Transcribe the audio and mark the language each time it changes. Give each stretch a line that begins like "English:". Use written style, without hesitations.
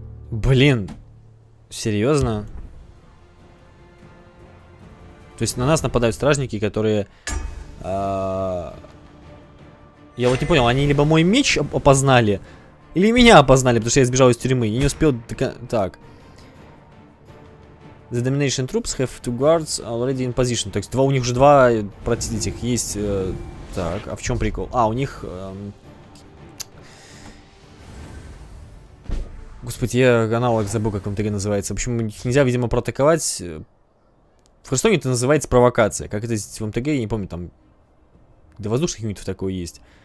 Russian: Блин, серьезно? То есть на нас нападают стражники, которые... Я вот не понял, они либо мой меч опознали, или меня опознали, потому что я сбежал из тюрьмы. Я не успел... Так.
English: The Domination Troops have two guards already in position.
Russian: То есть два, у них уже два противника есть. Так, а в чем прикол? А, у них... Господи, я аналог забыл, как он МТГ называется. В общем, их нельзя, видимо, проатаковать. В Hearthstone это называется провокация. Как это здесь в МТГ, я не помню, там... Да воздушных юнитов такое есть.